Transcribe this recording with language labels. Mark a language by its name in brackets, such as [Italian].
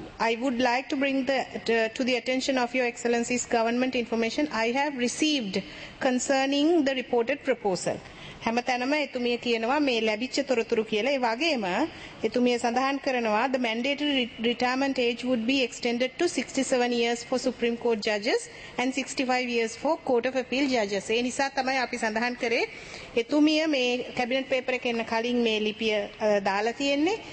[English] I would like to bring to the attention of Your Excellency's government information I have received concerning the reported proposal. [Sinhala] හැමතැනම එතුමිය කියනවා මේ ලැබිච්ච තොරතුරු කියලා. ඒ වගේම එතුමිය සඳහන් කරනවා [English] the mandatory retirement age would be extended to 67 years for Supreme Court judges and 65 years for Court of Appeal judges. [Sinhala] ඒ නිසා තමයි අපි සඳහන් කරේ එතුමිය මේ කැබිනට් පේපර් එකේ ඉන්න කලින් මේ ලිපිය දාලා තියෙන්නේ.